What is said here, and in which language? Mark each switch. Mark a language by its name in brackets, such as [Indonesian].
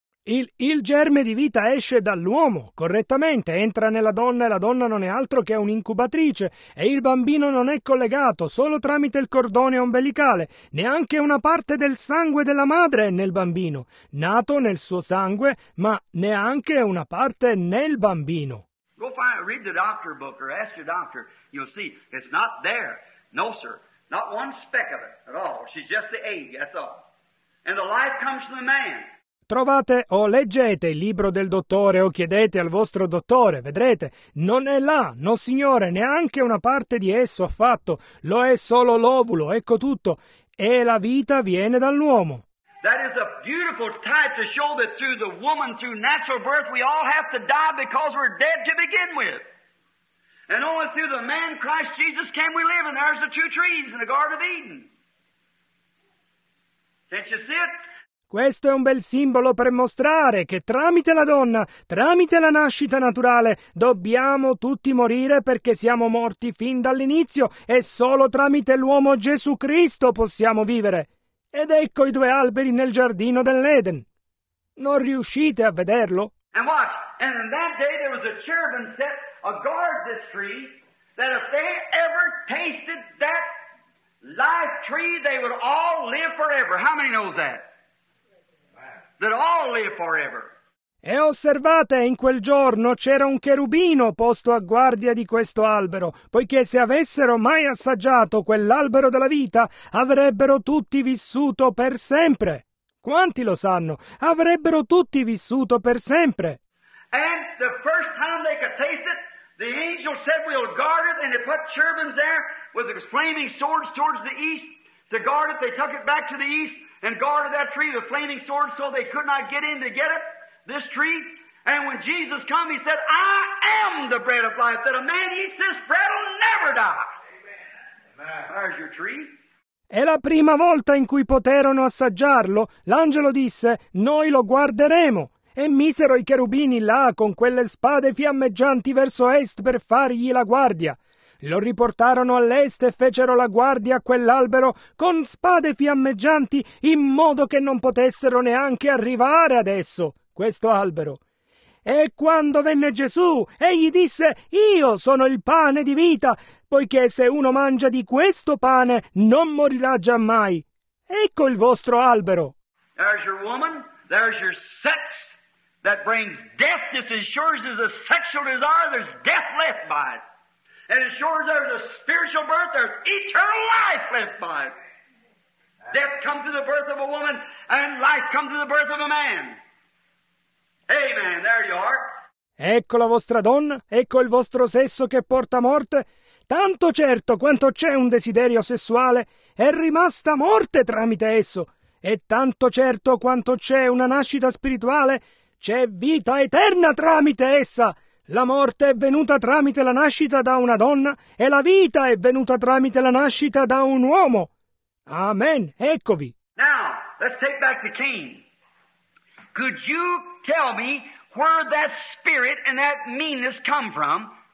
[Italian] Il germe di vita esce dall'uomo, correttamente, entra nella donna e la donna non è altro che un'incubatrice e il bambino non è collegato solo tramite il cordone ombelicale, neanche una parte del sangue della madre è nel bambino, nato nel suo sangue, ma neanche una parte nel bambino. [English] Go find, read the doctor book or ask your doctor, you'll see, it's not there, no sir, not one speck of it at all, she's just the egg, that's all. and the life comes from the man. [Italian] Trovate o leggete il libro del dottore o chiedete al vostro dottore, vedrete, non è là, no signore, neanche una parte di esso affatto, lo è solo l'ovulo, ecco tutto, e la vita viene dall'uomo. [English] That is a beautiful type to show that through the woman, through natural birth, we all have to die because we're dead to begin with. And only through the man Christ Jesus can we live, and there's the two trees in the Garden of Eden. Can't you see it? [Italian] Questo è un bel simbolo per mostrare che tramite la donna, tramite la nascita naturale, dobbiamo tutti morire perché siamo morti fin dall'inizio e solo tramite l'uomo Gesù Cristo possiamo vivere. Ed ecco i due alberi nel giardino dell'Eden. Non riuscite a vederlo? [English] And watch, and in that day there was a cherubim set a guard this tree, that if they ever tasted that life tree, they would all live forever. How many knows that? That all live forever. [Italian] E osservate, in quel giorno c'era un cherubino posto a guardia di questo albero, poiché se avessero mai assaggiato quell'albero della vita, avrebbero tutti vissuto per sempre. Quanti lo sanno? Avrebbero tutti vissuto per sempre. [English] And the first time they could taste it, the angel said, we'll guard it, and they put cherubims there with the flaming swords towards the east to guard it. They took it back to the east and guarded that tree with flaming swords so they could not get in to get it. This tree, and when Jesus came, he said, I am the bread of life, that a man eats this bread will never die. Amen. There's your tree. [Italian] E la prima volta in cui poterono assaggiarlo, l'angelo disse, noi lo guarderemo, e misero i cherubini là con quelle spade fiammeggianti verso est per fargli la guardia. Lo riportarono all'est e fecero la guardia a quell'albero con spade fiammeggianti in modo che non potessero neanche arrivare ad esso. Questo albero. E quando venne Gesù, egli disse, io sono il pane di vita, poiché se uno mangia di questo pane, non morirà giammai. Ecco il vostro albero. [English] There's your woman, there's your sex, that brings death, just as sure as a sexual desire, there's death left by it. And as sure as there's a spiritual birth, there's eternal life left by it. Death comes to the birth of a woman, and life comes to the birth of a man. Amen. There you are. [Italian] Ecco la vostra donna, ecco il vostro sesso che porta morte. Tanto certo quanto c'è un desiderio sessuale, è rimasta morte tramite esso. E tanto certo quanto c'è una nascita spirituale, c'è vita eterna tramite essa. La morte è venuta tramite la nascita da una donna e la vita è venuta tramite la nascita da un uomo. Amen. Eccovi. [English] Now, let's take back the king. Could you tell me where that spirit and that meanness come from?